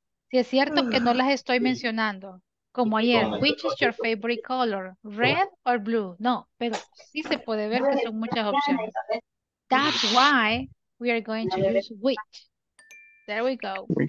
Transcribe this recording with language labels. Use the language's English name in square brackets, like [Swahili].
[Spanish] Si es cierto que no las estoy mencionando. Como ayer, [English] which is your favorite color, red or blue? [Spanish] No, pero sí se puede ver que son muchas opciones. [English] That's why we are going to use which. There we go.